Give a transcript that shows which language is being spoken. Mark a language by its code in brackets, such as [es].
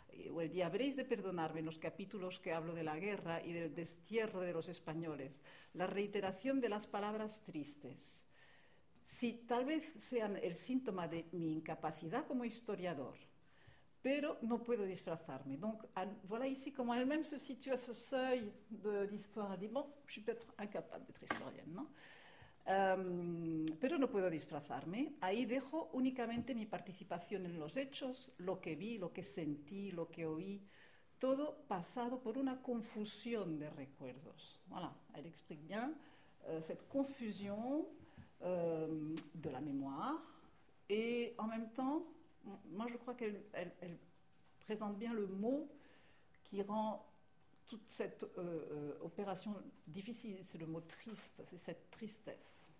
[fr] Où elle dit: [es] Habréis de perdonarme los capítulos que hablo de la guerra y del destierro de los españoles, la reiteración de las palabras tristes. Sí, tal vez sean el síntoma de mi incapacidad como historiador, pero no puedo disfrazarme. [fr] Donc, voilà ici comment elle-même se situe à ce seuil de l'histoire. Elle dit: Bon, je suis peut-être incapable d'être historienne, non? [es] Pero no puedo disfrazarme. Ahí dejo únicamente mi participación en los hechos, lo que vi, lo que sentí, lo que oí, todo pasado por una confusión de recuerdos. [fr] Voilà, elle explique bien cette confusion de la mémoire. Et en même temps, moi je crois qu'elle présente bien le mot qui rend toute cette opération difficile, c'est le mot triste, c'est cette tristesse.